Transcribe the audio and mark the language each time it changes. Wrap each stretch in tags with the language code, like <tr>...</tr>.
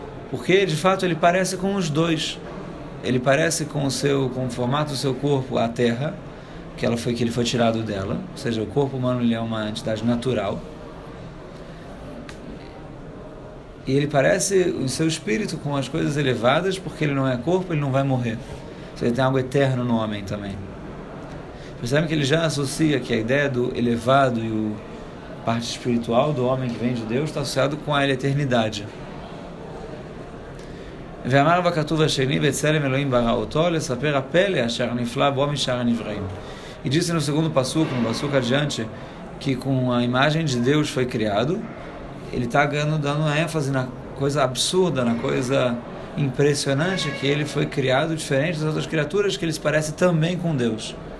<pt>Porque de fato ele parece com os dois. Ele parece com o seu, com o formato do seu corpo, a Terra, que ela foi, que ele foi tirado dela, ou seja, o corpo humano, ele é uma entidade natural, e ele parece o seu espírito com as coisas elevadas, porque ele não é corpo, ele não vai morrer, ou seja, ele tem algo eterno no homem também. Percebe que ele já associa que a ideia do elevado e o parte espiritual do homem que vem de Deus está associado com a eternidade.</pt> <he>ואמר בכתוב השני, בצלם אלוהים ברא אותו, לספר הפלא אשר נפלא בו משאר הנבראים.</he> <pt>E disse no segundo passuco, no passuco adiante, que com a imagem de Deus foi criado, ele está dando ênfase na coisa absurda, na coisa impressionante, que ele foi criado diferente das outras criaturas, que ele se parece também com Deus.</pt>